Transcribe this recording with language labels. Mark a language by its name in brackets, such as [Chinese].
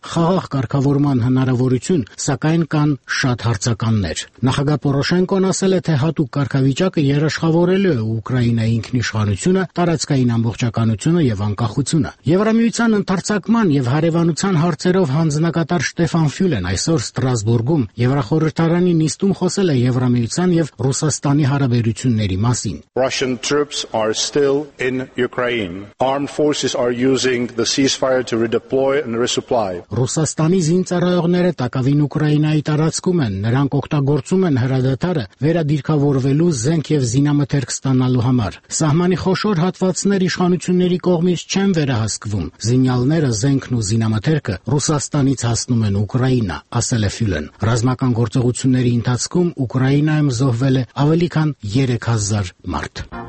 [Armenian] խաղաղ կարգավորման հնարավորություն, սակայն կան շատ հարցականներ։ Նախագահ Պորոշենկոն ասել է, թե հատուկ կարգավիճակը երաշխավորելու է Ուկրաինայի ինքնիշխանությունը, տարածքային ամբողջականությունը և անկախությունը։ Եվրամիության ընդարձակման և հարևանության հարցերով հանձնակատար դատար Ստեֆան Ֆյուլեն այսօր Ստրասբուրգում Եվրախորհրդարանի նիստում խոսել է Եվրամիության եւ Ռուսաստանի հարաբերությունների մասին։ [English] Russian troops are still in Ukraine. Armed forces are using the ceasefire to redeploy and resupply. [Armenian] Ռուսաստանի զինծառայողները տակավին Ուկրաինայի տարածքում են, նրանք օգտագործում են հրադադարը վերադիրքավորվելու զենք եւ զինամթերք ստանալու համար։ Սահմանի խոշոր հատվածներ իշխանությունների կողմից չեն վերահսկվում։ Զինյալները զենքն ու զինամթերքը Ռուսաստանից հասնում են Ուկրաինա, ասել է Ֆյուլեն։ Ռազմական գործողությունների ընթացքում Ուկրաինայում զոհվել է ավելի քան 3000 մարդ։